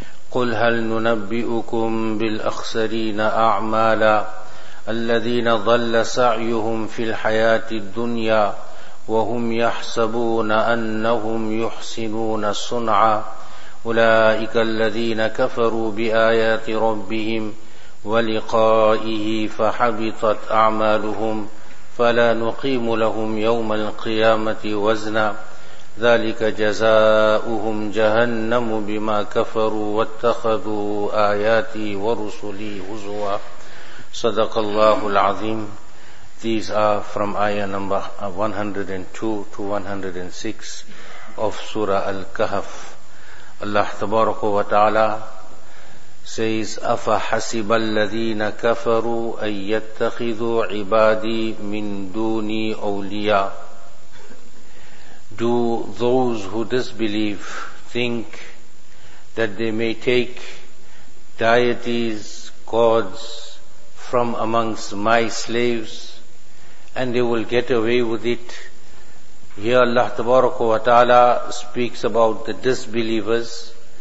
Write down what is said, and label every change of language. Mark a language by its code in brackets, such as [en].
[ar] قل هل ننبئكم بالأخسرين أعمالا الذين ضل سعيهم في الحياة الدنيا وهم يحسبون أنهم يحسنون صنعا أولئك الذين كفروا بآيات ربهم ولقائه فحبطت أعمالهم فلا نقيم لهم يوم القيامة وزنا ذلك جزاؤهم جهنم بما كفروا واتخذوا آياتي ورسلي هزوا صدق الله العظيم. [en] These are from ayah number 102 to 106 of Surah Al-Kahf. Allah tabaraka wa ta'ala says, [ar] أَفَحَسِبَ الَّذِينَ كَفَرُوا أَن يَتَّخِذُوا عِبَادِي مِن دُونِي أَوْلِيَا. [en] Do those who disbelieve think that they may take deities, gods from amongst my slaves, and they will get away with it? Here Allah tabaraka wa ta'ala speaks about the disbelievers.